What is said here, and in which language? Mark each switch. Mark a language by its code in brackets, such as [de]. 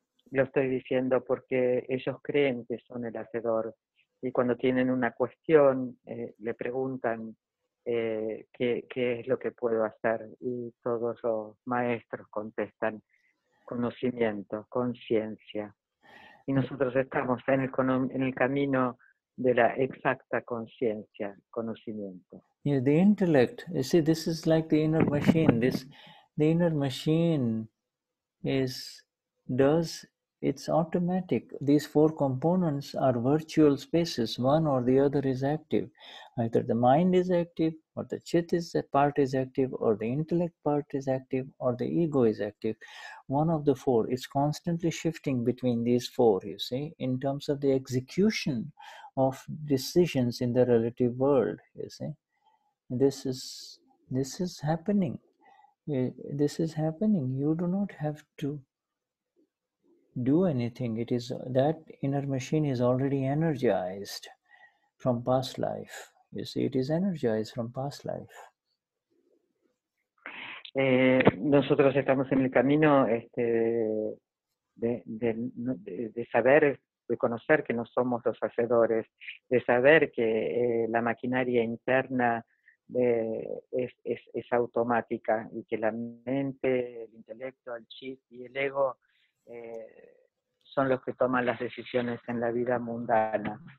[es] Lo estoy diciendo porque ellos creen que son el hacedor y cuando tienen una cuestión le preguntan qué es lo que puedo hacer y todos los maestros contestan conocimiento, conciencia. y nosotros estamos en el camino de la exacta conciencia, conocimiento. [en] Yeah, the intellect, you see, this is like the inner machine. This, the inner machine is, does, it's automatic. These four components are virtual spaces. One or the other is active. Either the mind is active, or the chit is a part is active, or the intellect part is active, or the ego is active. One of the four is constantly shifting between these four, you see, in terms of the execution of decisions in the relative world, you see. This is happening. This is happening. You do not have to do anything. It is that inner machine is already energized from past life. You see, it is energized from past life. [es] Nosotros estamos en el camino este, de saber, de conocer que no somos los hacedores, de saber que la maquinaria interna es automática y que la mente, el intelecto, el chip y el ego son los que toman las decisiones en la vida mundana.